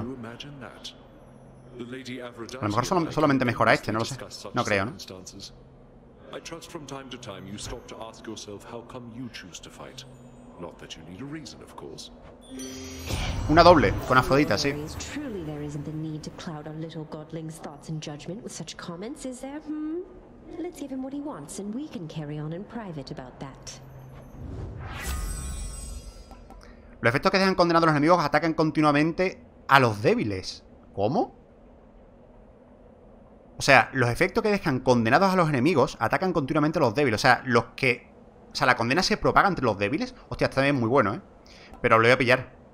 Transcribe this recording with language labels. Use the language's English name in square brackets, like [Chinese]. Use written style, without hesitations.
[Spanish] A lo mejor solamente mejora este, no lo sé. No creo, ¿no? [English] I trust from time to time you stop to ask yourself how come you choose to fight. Not that you need a reason, of course. [Spanish] Una doble con Afrodita, sí. [English] Truly there isn't the need to cloud our little godling's thoughts and judgment with such comments, is there? Let's give him what he wants and we can carry on in private about that. [Spanish] Los efectos que dejan condenados a los enemigos atacan continuamente a los débiles. ¿Cómo? O sea, los efectos que dejan condenados a los enemigos atacan continuamente a los débiles. O sea, los que... O sea, la condena se propaga entre los débiles. Hostia, está bien, muy bueno, ¿eh? Pero lo voy a pillar.